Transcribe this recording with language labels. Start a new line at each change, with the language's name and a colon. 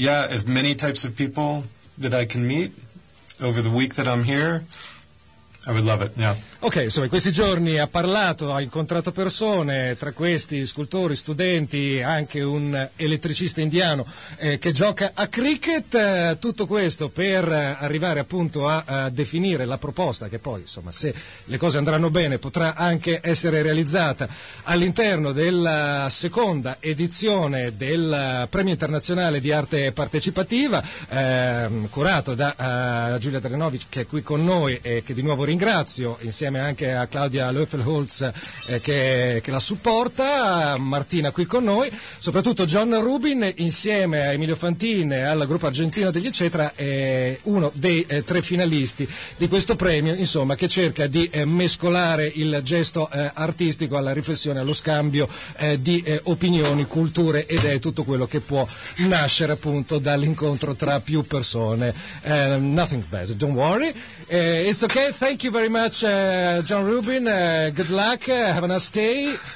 English: As many types of people that I can meet over the week that I'm here, I would love it, yeah.
Italian: Ok, insomma, in questi giorni ha parlato, ha incontrato persone, tra questi scultori, studenti, anche un elettricista indiano che gioca a cricket. Tutto questo per arrivare appunto a definire la proposta, che poi, insomma, se le cose andranno bene, potrà anche essere realizzata all'interno della seconda edizione del Premio Internazionale di Arte Partecipativa, curato da Giulia Drenovic, che è qui con noi e che di nuovo ringrazio, insieme anche a Claudia Löffelholz che la supporta, Martina qui con noi, soprattutto John Rubin insieme a Emilio Fantin e al gruppo argentino degli Eccetera, uno dei tre finalisti di questo premio, insomma, che cerca di mescolare il gesto artistico alla riflessione, allo scambio di opinioni, culture ed è tutto quello che può nascere appunto dall'incontro tra più persone.
English: Nothing bad, don't worry. It's okay, thank you very much, John Rubin, good luck, have a nice day.